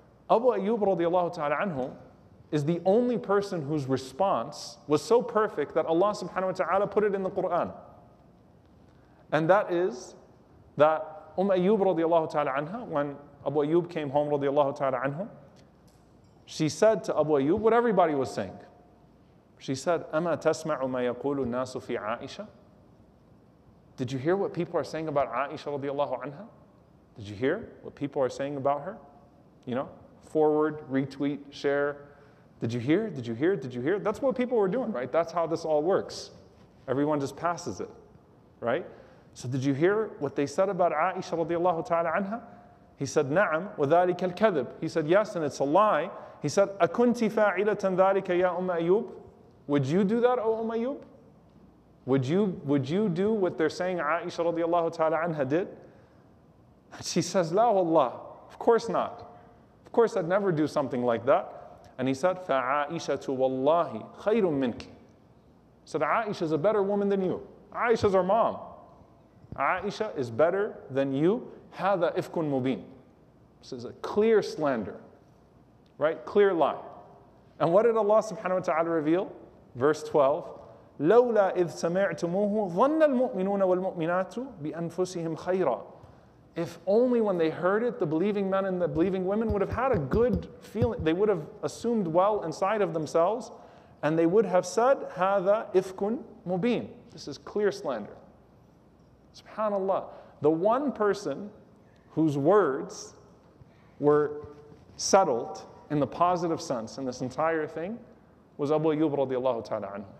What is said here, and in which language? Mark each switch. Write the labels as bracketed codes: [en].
[en] Abu Ayyub radiallahu ta'ala anhu is the only person whose response was so perfect that Allah subhanahu wa ta'ala put it in the Quran. And that is that Ayyub radiallahu ta'ala anha, when Abu Ayyub came home radiallahu ta'ala anhu, she said to Abu Ayyub what everybody was saying. She said, [ar] أَمَا تَسْمَعُ مَا يَقُولُ النَّاسُ فِي عَائِشَةَ. [en] Did you hear what people are saying about Aisha radiallahu anha? Did you hear what people are saying about her? You know, forward, retweet, share. Did you hear? That's what people were doing, right? That's how this all works. Everyone just passes it, right? So did you hear what they said about Aisha radiallahu ta'ala anha? He said, [ar] na'am, wa dhalika al-kadhib. [en] He said, yes, and it's a lie. He said, [ar] akunti fa'ilatan dhalika ya Ayyub? [en] Would you do that, O Ayyub? Would you do what they're saying Aisha radiallahu ta'ala anha did? And she says, [ar] la wallah, [en] of course not. Of course I'd never do something like that. And he said, [ar] fa'aishatu wallahi khayrun minki. [en] He said, Aisha is a better woman than you. Aisha's our mom. Aisha is better than you. [ar] Hadha ifkun mubin. [en] This is a clear slander, right? Clear lie. And what did Allah subhanahu wa ta'ala reveal? Verse 12, [ar] لَوْلَا إِذْ سَمِعْتُمُوهُ ظَنَّ الْمُؤْمِنُونَ وَالْمُؤْمِنَاتُ بِأَنفُسِهِمْ خَيْرًا. [en] If only when they heard it, the believing men and the believing women would have had a good feeling, they would have assumed well inside of themselves, and they would have said, [ar] هَذَا إِفْكٌ مُبِينٌ. [en] This is clear slander. SubhanAllah. The one person whose words were settled in the positive sense in this entire thing was Abu Ayyub radiallahu ta'ala anhu.